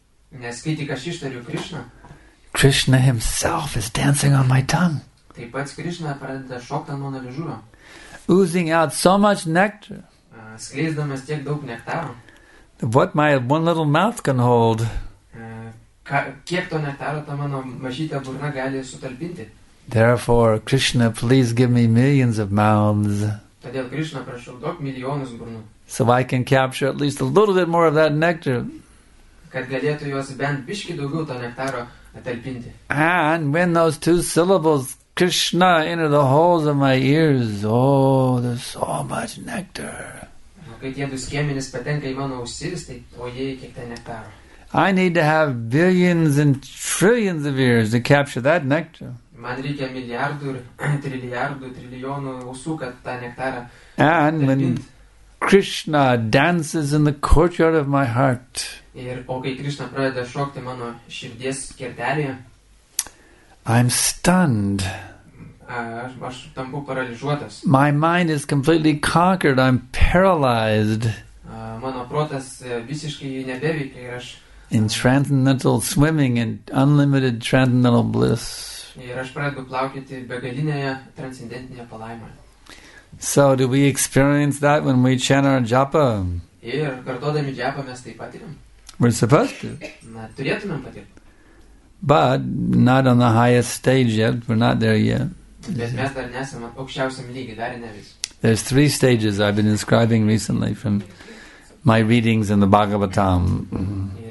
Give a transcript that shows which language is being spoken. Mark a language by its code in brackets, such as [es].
[lt] nes kai tik aš ištariu Krishna, [en] Krishna himself is dancing on my tongue. [lt] Taip pat Krishna pradeda šokti ant mano liežuvio. [en] Oozing out so much nectar. [lt] Skleisdamas tiek daug nektaro. [en] What my one little mouth can hold. [lt] Kiek to nektaro ta mano mažytė burna gali sutalpinti. [en] Therefore, Krishna, please give me millions of mouths. [lt] Todėl Krishna, prašau, duok milijonus burnų. [en] So I can capture at least a little bit more of that nectar. [lt] Kad galėtų juos bent biškį daugiau to nektaro atalpinti. [en] And when those two syllables, Krishna, enter the holes of my ears, oh, there's so much nectar. [lt] Kai tie du skiemenys patenka į mano ausis, tai o jie kiek ten nektaro. [en] I need to have billions and trillions of ears to capture that nectar. [lt] Man reikia milijardų ir trilijardų, trilijonų ausų, kad tą nektarą. [en] And when Krishna dances in the courtyard of my heart. [lt] Ir o kai Krishna pradeda šokti mano širdies kertelėje. [en] I'm stunned. [lt] Aš tampu paralyžuotas. [en] My mind is completely conquered. I'm paralyzed. [lt] Mano protas visiškai nebeveikia ir aš [en] in transcendental swimming and unlimited transcendental bliss. [lt] Ir aš pradedu plaukyti begalinėje transcendentinėje palaimoje. [en] So do we experience that when we chant our japa? [lt] Ir kartodami japa mes tai patiriam. [en] We're supposed to. [lt] Na, turėtumėm patirti. Bet mes dar nesame aukščiausiam lygi, dar ne vis. [en] There's three stages I've been describing recently from my readings in the Bhagavatam.